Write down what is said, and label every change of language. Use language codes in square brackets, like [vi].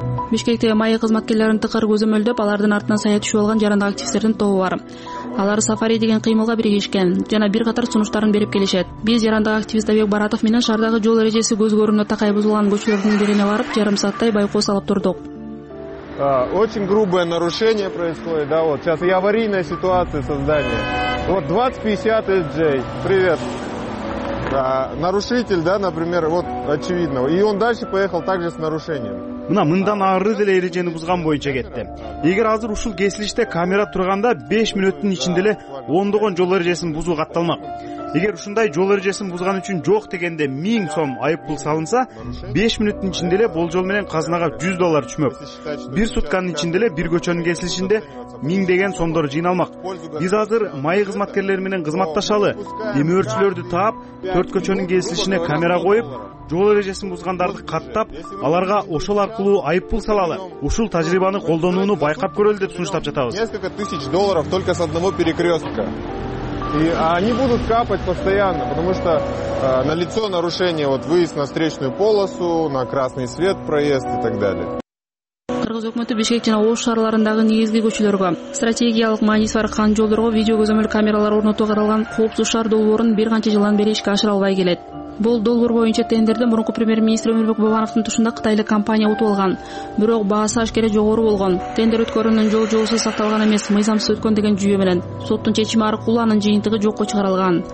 [ky] Бишкектеги майы кызматкерлерин тыкыр көзөмөлдөп, алардын артынан саяат түшүп алган жарандык активисттердин тобу бар. Алар сафари деген кыймылга биригишкен жана бир катар сунуштарын берип келишет. Биз жарандык активист Абек Баратов менен шаардагы жол эрежеси көз көрүндө такай бузулган көчөлөрдүн бирине барып, жарым сааттай байкоо салып турдук. [ru] Очень грубое нарушение происходит, да, вот сейчас и аварийная ситуация создания. Вот 2050 SJ, привет. А, нарушитель, да, например, вот очевидно. И он дальше поехал также с нарушением. [ky] Мына мындан ары деле эрежени бузган боюнча кетти. Эгер азыр ушул кесилиште камера турганда 5 мүнөттүн ичинде эле ондогон жол эрежесин бузуу катталмак. Эгер ушундай жол эрежесин бузган үчүн жок дегенде 1000 сом айып пул салынса, 5 мүнөттүн ичинде эле болжол менен казынага $100 түшмөк. Бир сутканын ичинде эле бир көчөнүн кесилишинде 1000 деген сомдор жыйналмак. Биз азыр майы кызматкерлери менен кызматташалы, эми өрчүлөрдү таап, 4 көчөнүн кесилишине камера коюп, жол эрежесин бузгандарды каттап, аларга ошол аркылуу айып пул салалы. Ушул тажрыйбаны колдонууну байкап көрөлү деп сунуштап жатабыз. [ru] $10,000 только с одного перекрестка. И они будут капать постоянно, потому что налицо нарушение, вот выезд на встречную полосу, на красный свет проезд и так далее. [ky] Кыргыз өкмөтү Бишкектин оор шаарларындагы негизги көчөлөргө стратегиялык мааниси бар кан жолдорго видео көзөмөл камералар орнотууга каралган коопсуз шаар долбоорун бир канча жылдан бери ишке ашыра албай келет. Бул долбоор боюнча тендерди мурунку премьер-министр Өмүрбек Бабановдун тушунда кытайлык компания утуп алган. Бирок баасы ашкере жогору болгон. Тендер өткөрүүнүн жол-жолсуз сакталган эмес, мыйзамсыз өткөн деген жүйө менен соттун чечими аркылуу анын жыйынтыгы жокко чыгарылган.